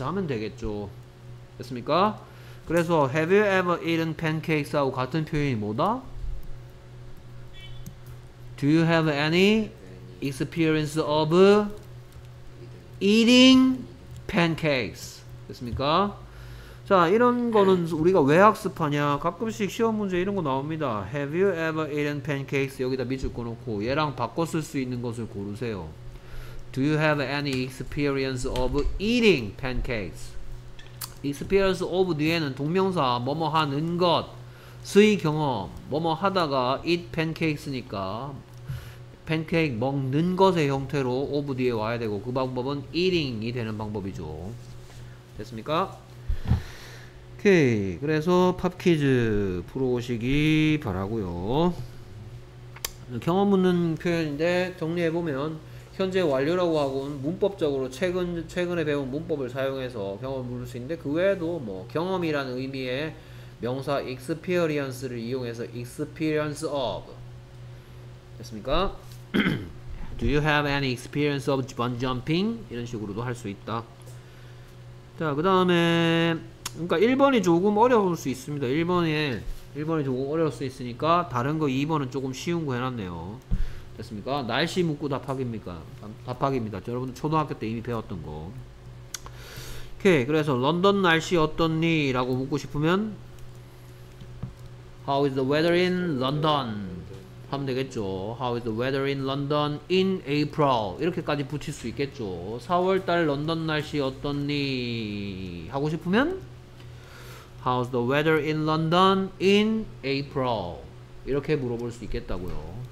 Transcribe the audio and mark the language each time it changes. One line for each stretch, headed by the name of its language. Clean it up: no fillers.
Korean: 하면 되겠죠. 됐습니까? 그래서
English: Have you ever eaten pancakes?
Korean: 하고 같은 표현이 뭐다?
English: Do you have any experience of eating pancakes?
Korean: 됐습니까? 자, 이런 거는 우리가 왜 학습하냐. 가끔씩 시험 문제 이런 거 나옵니다.
English: Have you ever eaten pancakes?
Korean: 여기다 밑줄 꺼놓고 얘랑 바꿔 쓸 수 있는 것을 고르세요.
English: Do you have any experience of eating pancakes?
Korean: Experience of 뒤에는 동명사 뭐뭐 하는 것, 수의 경험, 뭐뭐 하다가
English: eat pancakes
Korean: 니까 팬케이크 먹는 것의 형태로 of 뒤에 와야 되고, 그 방법은 eating이 되는 방법이죠. 됐습니까? 오케이, 그래서 팝퀴즈 풀어오시기 바라고요. 경험 묻는 표현인데 정리해보면, 현재 완료라고 하고는 문법적으로 최근에 배운 문법을 사용해서 경험 묻을 수 있는데, 그 외에도 뭐 경험이라는 의미의 명사 experience를 이용해서 experience of. 됐습니까?
English: Do you have any experience of bungee jumping?
Korean: 이런 식으로도 할 수 있다. 자, 그 다음에 그러니까 1번이 조금 어려울 수 있습니다. 1번이 조금 어려울 수 있으니까 다른 거 2번은 조금 쉬운 거 해놨네요. 됐습니까? 날씨 묻고 답하기입니다. 여러분 초등학교 때 이미 배웠던 거. 오케이, 그래서 런던 날씨 어떻니? 라고 묻고 싶으면
English: How is the weather in London?
Korean: 하면 되겠죠.
English: How is the weather in London in April?
Korean: 이렇게까지 붙일 수 있겠죠. 4월달 런던 날씨 어떻니? 하고 싶으면
English: How's the weather in London in April?
Korean: 이렇게 물어볼 수 있겠다고요.